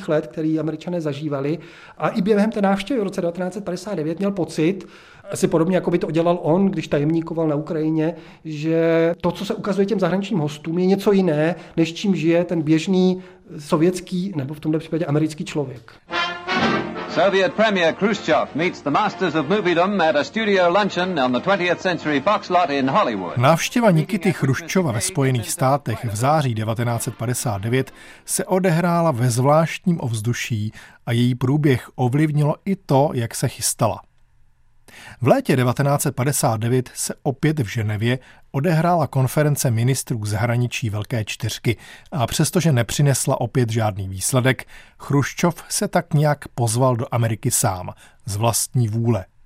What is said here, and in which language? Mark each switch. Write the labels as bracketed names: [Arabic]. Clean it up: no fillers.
[Czech] let, který Američané zažívali. A i během té návštěvy v roce 1959 měl pocit, asi podobně, jako by to udělal on, když tajemníkoval na Ukrajině, že to, co se ukazuje těm zahraničním hostům, je něco jiné, než čím žije ten běžný sovětský, nebo v tomto případě americký člověk. [English] Soviet premier Khrushchev meets the masters of moviedom at a studio luncheon on the 20th century Fox lot in Hollywood. [Czech] Návštěva Nikity Chruščova ve Spojených státech v září 1959 se odehrála ve zvláštním ovzduší a její průběh ovlivnilo i to, jak se chystala. V létě 1959 se opět v Ženevě odehrála konference ministrů zahraničí Velké čtyřky a přestože nepřinesla opět žádný výsledek, Chruščov se tak nějak pozval do Ameriky sám, z vlastní vůle.